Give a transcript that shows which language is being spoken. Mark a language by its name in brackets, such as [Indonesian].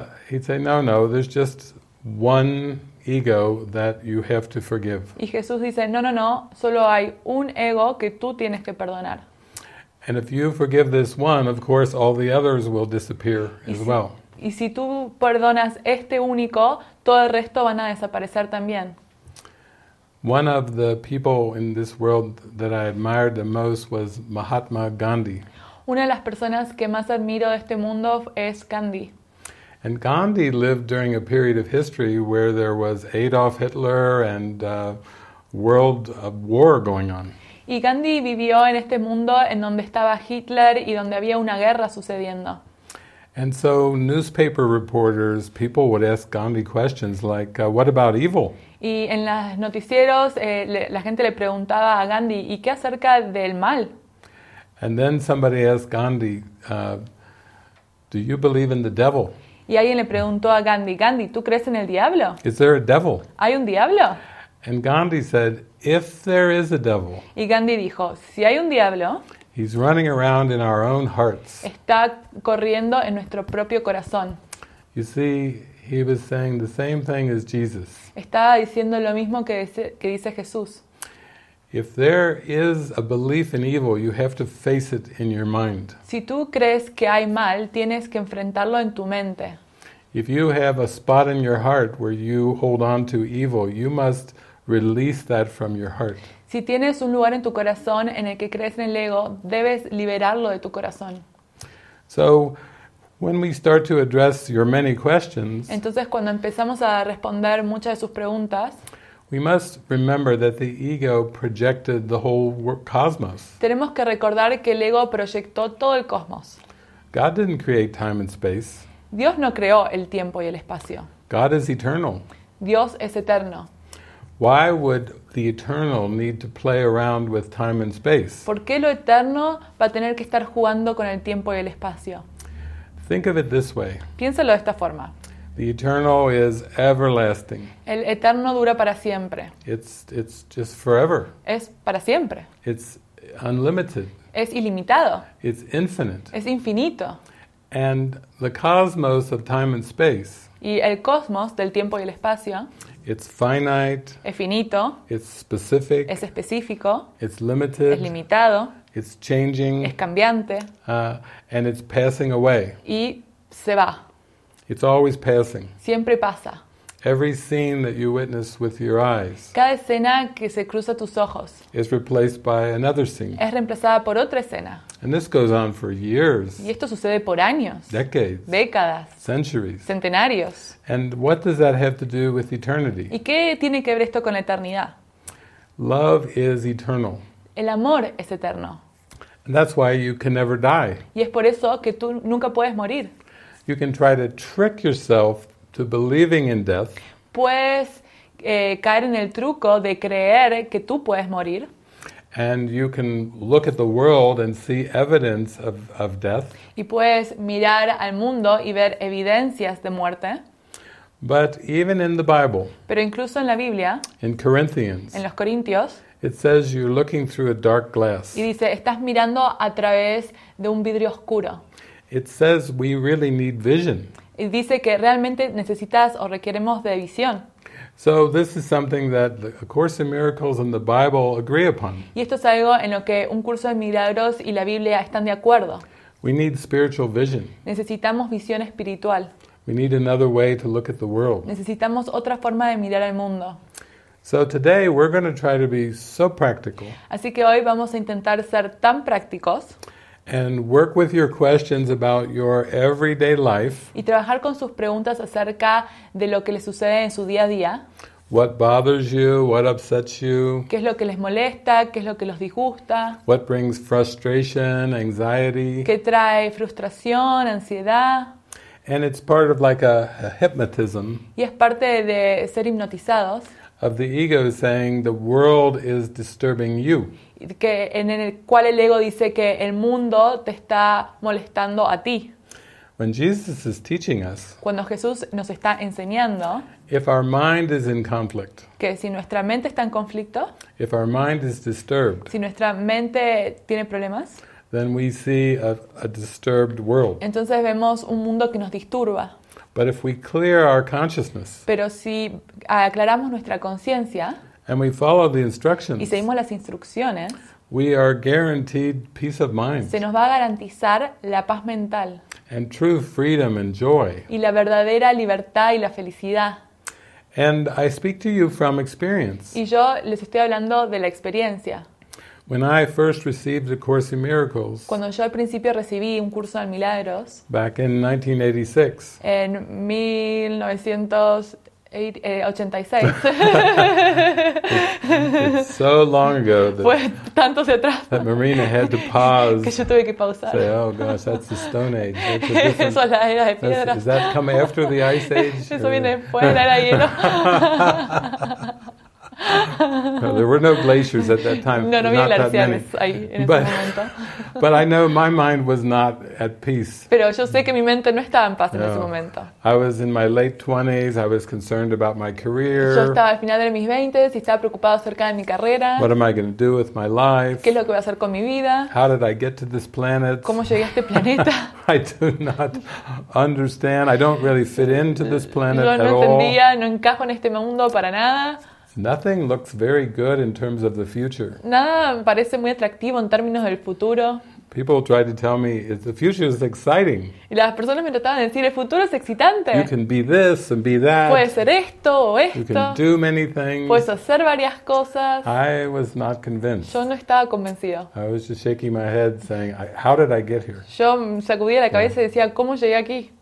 [English] He'd say, no, there's just one ego that you have to forgive. [Spanish] Y Jesús dice, no, solo hay un ego que tú tienes que perdonar. [English] And if you forgive this one, of course, all the others will disappear as well. [Spanish] Y si tú perdonas este único, todo el resto van a desaparecer también. [English] One of the people in this world that I admired the most was Mahatma Gandhi. [Spanish] Una de las personas que más admiro de este mundo es Gandhi. [English] And Gandhi lived during a period of history where there was Adolf Hitler and world of war going on. [Spanish] Y Gandhi vivió en este mundo en donde estaba Hitler y donde había una guerra sucediendo. [English] And so newspaper reporters, people would ask Gandhi questions like, "What about evil?" [Spanish] Y en los noticieros la gente le preguntaba a Gandhi, "¿Y qué acerca del mal?" [English] And then somebody asked Gandhi, "Do you believe in the devil?" [Spanish] Y alguien le preguntó a Gandhi, "Gandhi, ¿tú crees en el diablo?" [English] "Is there a devil?" [Spanish] ¿Hay un diablo? [English] And Gandhi said, "If there is a devil." [Spanish] Y Gandhi dijo, "Si hay un diablo." [English] He's running around in our own hearts. [Spanish] Está corriendo en nuestro propio corazón. [English] You see, he was saying the same thing as Jesus. [Spanish] Estaba diciendo lo mismo que dice Jesús. [English] If there is a belief in evil, you have to face it in your mind. [Spanish] Si tú crees que hay mal, tienes que enfrentarlo en tu mente. [English] If you have a spot in your heart where you hold on to evil, you must release that from your heart. [Spanish] Si tienes un lugar en tu corazón en el que crees en el ego, debes liberarlo de tu corazón. [English] So, when we start to address your many questions, [Spanish] entonces cuando empezamos a responder muchas de sus preguntas, [English] we must remember that the ego projected the whole cosmos. [Spanish] Tenemos que recordar que el ego proyectó todo el cosmos. [English] God didn't create time and space. [Spanish] Dios no creó el tiempo y el espacio. [English] God is eternal. [Spanish] Dios es eterno. [English] Why would the eternal need to play around with time and space? [Spanish] ¿Por qué lo eterno va a tener que estar jugando con el tiempo y el espacio? [English] Think of it this way. [Spanish] Piénsalo de esta forma. [English] The eternal is everlasting. [Spanish] El eterno dura para siempre. [English] It's just forever. [Spanish] Es para siempre. [English] It's unlimited. [Spanish] Es ilimitado. [English] It's infinite. [Spanish] Es infinito. [English] And the cosmos of time and space. [Spanish] Y el cosmos del tiempo y el espacio. [English] It's finite. [Spanish] Es finito. [English] It's specific. [Spanish] Es específico. [English] It's limited. [Spanish] Es limitado. [English] It's changing. [Spanish] Es cambiante. [English] And it's passing away. [Spanish] Y se va. [English] It's always passing. [Spanish] Siempre pasa. [English] Every scene that you witness with your eyes. [Spanish] Cada escena que se cruza tus ojos. [English] Is replaced by another scene. [Spanish] Es reemplazada por otra escena. [English] And this goes on for years. [Spanish] Y esto sucede por años. [English] Decades. [Spanish] Décadas. [English] Centuries. [Spanish] Centenarios. [English] And what does that have to do with eternity? [Spanish] ¿Y qué tiene que ver esto con la eternidad? [English] Love is eternal. [Spanish] El amor es eterno. [English] And that's why you can never die. [Spanish] Y es por eso que tú nunca puedes morir. [English] You can try to trick yourself to believing in death. [Spanish] puedes caer en el truco de creer que tú puedes morir. [English] And you can look at the world and see evidence of death. [Spanish] Y puedes mirar al mundo y ver evidencias de muerte. [English] But even in the Bible. [Spanish] Pero incluso en la Biblia. [English] In Corinthians. [Spanish] En los Corintios. [English] It says you're looking through a dark glass. [Spanish] Y dice, estás mirando a través de un vidrio oscuro. [English] It says we really need vision. [Spanish] Y dice que realmente necesitas o requeremos de visión. [English] So this is something that the Course in Miracles and the Bible agree upon. [Spanish] Y esto es algo en lo que un curso de milagros y la Biblia están de acuerdo. [English] We need spiritual vision. [Spanish] Necesitamos visión espiritual. [English] We need another way to look at the world. [Spanish] Necesitamos otra forma de mirar al mundo. [English] So today we're going to try to be so practical. [Spanish] Así que hoy vamos a intentar ser tan prácticos. [English] And work with your questions about your everyday life. [Spanish] Y trabajar con sus preguntas acerca de lo que les sucede en su día a día. [English] What bothers you? What upsets you? [Spanish] ¿Qué es lo que les molesta? ¿Qué es lo que los disgusta? [English] What brings frustration, anxiety? [Spanish] ¿Qué trae frustración, ansiedad? [English] And it's part of like a hypnotism. [Spanish] Y es parte de ser hipnotizados. [English] Of the ego saying the world is disturbing you. [Spanish] Que en el cual el ego dice que el mundo te está molestando a ti. [English] When Jesus is teaching us. [Spanish] Cuando Jesús nos está enseñando. [English] If our mind is in conflict. [Spanish] Que si nuestra mente está en conflicto. [English] If our mind is disturbed. [Spanish] Si nuestra mente tiene problemas. [English] Then we see a disturbed world. [Spanish] Entonces vemos un mundo que nos disturba. [English] But if we clear our consciousness. [Spanish] Pero si aclaramos nuestra conciencia. [English] And we follow the instructions. [Spanish] Y seguimos las instrucciones. [English] We are guaranteed peace of mind. [Spanish] Se nos va a garantizar la paz mental. [English] And true freedom and joy. [Spanish] Y la verdadera libertad y la felicidad. [English] And I speak to you from experience. [Spanish] Y yo les estoy hablando de la experiencia. [English] When I first received the Course in Miracles. [Spanish] Cuando yo al principio recibí un curso de milagros. [English] Back in 1986. [Spanish] En 1986. [English] It's so long ago that, [Spanish] fue tanto hacia atrás. [English] That Marina had to pause. [Spanish] Que yo tuve que pausar. [English] Say, oh gosh, that's the Stone Age. [Spanish] Eso es la era de piedra. [English] Does that come after the Ice Age? [Spanish] Eso viene después de la era de hielo. [English] No, there were no glaciers at that time. [Spanish] No, no había glaciares ahí en ese momento. [English] But I know my mind was not at peace. [Spanish] Pero yo sé que mi mente no estaba en paz en ese momento. [English] I was in my late 20s. I was concerned about my career. [Spanish] Yo estaba al final de mis 20s y estaba preocupado acerca de mi carrera. [English] What am I going to do with my life? [Spanish] ¿Qué es lo que voy a hacer con mi vida? [English] How did I get to this planet? [Spanish] ¿Cómo llegué a este planeta? [English] I do not understand. I don't really fit into this planet at all. [Spanish] Yo no entendía, no encajo en este mundo para nada. [English] Nothing looks very good in terms of the future. [Spanish] Nada parece muy atractivo en términos del futuro. [English] People try to tell me the future is exciting. [Spanish] Y las personas me trataban de decir el futuro es excitante. [English] You can be this and be that. [Spanish] Puedes ser esto o esto. [English] You can do many things. [Spanish] Puedes hacer varias cosas. [English] I was not convinced. [Spanish] Yo no estaba convencido. [English] I was just shaking my head saying, how did I get here? [Spanish] Yo sacudía la cabeza y decía, ¿cómo llegué aquí?